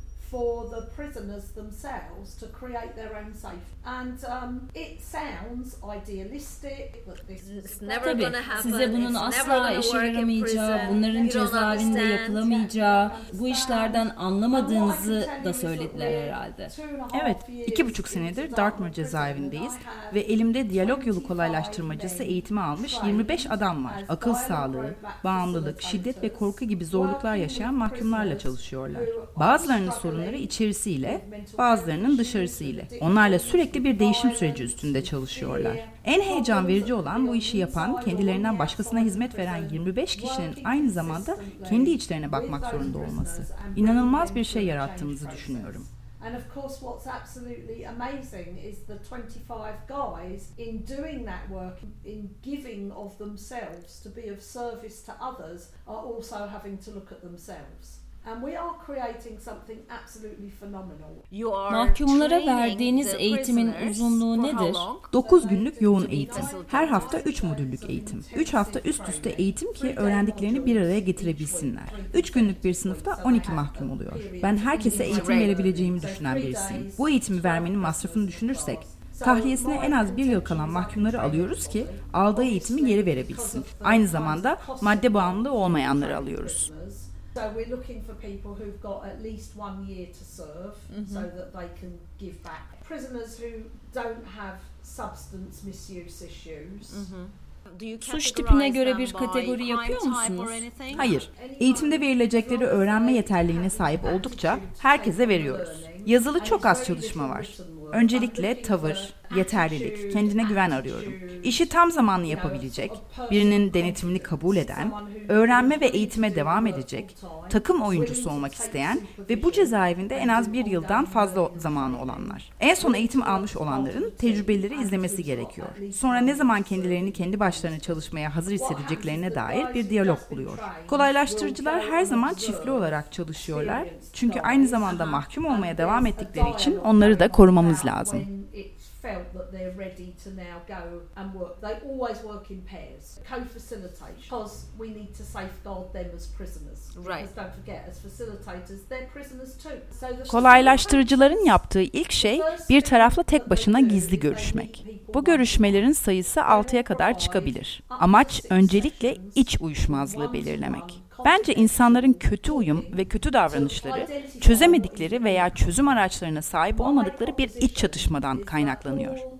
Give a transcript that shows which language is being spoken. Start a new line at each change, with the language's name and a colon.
English: For the prisoners themselves to create their own safety. And it sounds idealistic, but this is never going to happen.
Turkish: Tabii, size bunun asla işe yaramayacağı, bunların cezaevinde yapılamayacağı, bu işlerden anlamadığınızı da söylediler herhalde. Evet, 2,5 senedir Dartmoor cezaevindeyiz ve elimde diyalog yolu kolaylaştırmacısı eğitimi almış 25 adam var. Akıl sağlığı, bağımlılık, şiddet ve korku gibi zorluklar yaşayan mahkumlarla çalışıyorlar. Bazılarının sorunları içerisiyle, bazılarının dışarısıyla. Onlarla sürekli bir değişim süreci üstünde çalışıyorlar. En heyecan verici olan bu işi yapan, kendilerinden başkasına hizmet veren 25 kişinin aynı zamanda kendi içlerine bakmak zorunda olması. İnanılmaz bir şey yarattığımızı düşünüyorum.
English: And of course what's absolutely amazing is the 25 guys in doing that work, in giving of themselves to be of service to others, are also having to look at themselves. And we are creating something absolutely phenomenal. You are
Turkish: mahkumlara verdiğiniz eğitimin uzunluğu nedir? 9 günlük yoğun eğitim. Her hafta 3 modüllük eğitim. 3 hafta üst üste eğitim ki öğrendiklerini bir araya getirebilsinler. 3 günlük bir sınıfta 12 mahkum oluyor. Ben herkese eğitim verebileceğimi düşünen birisiyim. Bu eğitimi vermenin masrafını düşünürsek, tahliyesine en az bir yıl kalan mahkumları alıyoruz ki aldığı eğitimi geri verebilsin. Aynı zamanda madde bağımlılığı olmayanları alıyoruz.
English: So we're looking for people who've got at least 1 year to serve so that they can give back. Prisoners who don't have substance misuse issues.
Turkish: Suç tipine göre bir kategori yapıyor musunuz? Hayır. Eğitimde verilecekleri öğrenme yeterliliğine sahip oldukça herkese veriyoruz. Yazılı çok az çalışma var. Öncelikle tavır, yeterlilik, kendine güven arıyorum. İşi tam zamanlı yapabilecek, birinin denetimini kabul eden, öğrenme ve eğitime devam edecek, takım oyuncusu olmak isteyen ve bu cezaevinde en az bir yıldan fazla zamanı olanlar. En son eğitim almış olanların tecrübeleri izlemesi gerekiyor. Sonra ne zaman kendilerini kendi başlarına çalışmaya hazır hissedeceklerine dair bir diyalog buluyor. Kolaylaştırıcılar her zaman çiftli olarak çalışıyorlar. Çünkü aynı zamanda mahkum olmaya devam ettikleri için onları da korumamız lazım.
English: Felt that they're ready to now go and work. They always work in pairs, co-facilitation, because we need to safeguard them as prisoners. Right. Because don't forget, as facilitators, they're prisoners too.
Turkish: Kolaylaştırıcıların yaptığı ilk şey bir tarafla tek başına gizli görüşmek. Bu görüşmelerin sayısı 6'ya kadar çıkabilir. Amaç öncelikle iç uyuşmazlığı belirlemek. Bence insanların kötü uyum ve kötü davranışları çözemedikleri veya çözüm araçlarına sahip olmadıkları bir iç çatışmadan kaynaklanıyor.